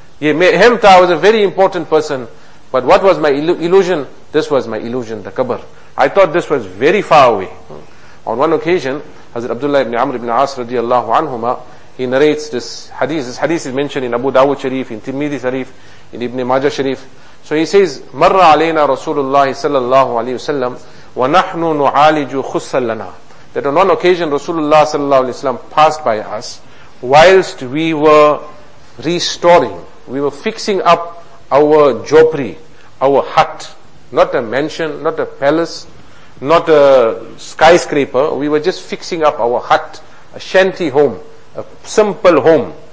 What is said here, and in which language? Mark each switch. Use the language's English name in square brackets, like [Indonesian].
[English] I was a very important person. But what was my illusion? This was my illusion, the qabr. I thought this was very far away. On one occasion, Hazrat Abdullah ibn Amr ibn As radiallahu anhuma, he narrates this hadith. This hadith is mentioned in Abu Dawud Sharif, in Tirmidhi Sharif, in Ibn Majah Sharif. So he says, [Arabic] مَرَّ عَلَيْنَا رَسُولُ اللَّهِ صَلَّى اللَّهُ عَلَيْهِ وَسَلَّمُ وَنَحْنُ نُعَالِجُ خُصَّ لَنَا. [English] That on one occasion Rasulullah sallallahu alayhi wa sallam passed by us whilst we were restoring, we were fixing up our jopri, our hut, not a mansion, not a palace, not a skyscraper, we were just fixing up our hut, a shanty home, a simple home.